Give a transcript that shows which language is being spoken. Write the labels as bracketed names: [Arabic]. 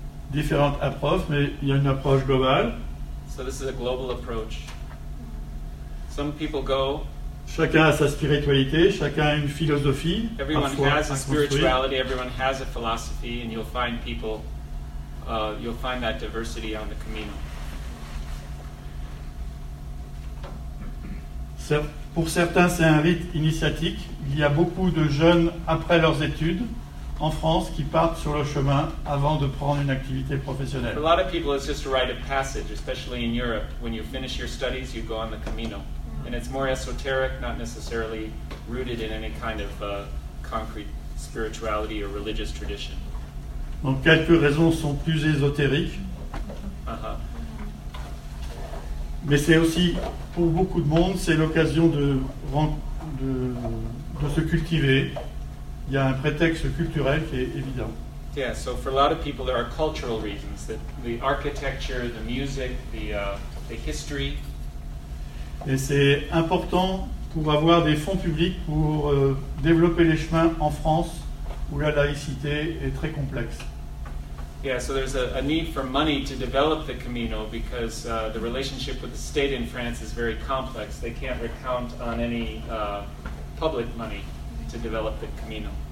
[French] Différentes approches, mais il y a une approche globale. [English] So this is a global approach. Some people go. [French] Chacun a sa spiritualité, chacun a une philosophie. [English] Everyone has a spirituality. Everyone has a philosophy, and you'll find people. You'll find that diversity on the Camino. [French] Pour certains, c'est un rite initiatique. Il y a beaucoup de jeunes après leurs études en France qui partent sur le chemin avant de prendre une activité professionnelle. [English] For a lot of people, it's just a rite of passage, especially in Europe. When you finish your studies, you go on the Camino. And it's more esoteric, not necessarily rooted in any kind of concrete spirituality or religious tradition. [French] Donc, quelques raisons sont plus ésotériques. Mais c'est aussi, pour beaucoup de monde, c'est l'occasion de se cultiver. Il y a un prétexte culturel qui est évident. [English] Yeah, so for a lot of people, there are cultural reasons. That the architecture, the music, the history. [French] Et c'est important pour avoir des fonds publics pour développer les chemins en France, où la laïcité est très complexe. [English] Yeah, so there's a need for money to develop the Camino because the relationship with the state in France is very complex. They can't count on any public money to develop the Camino.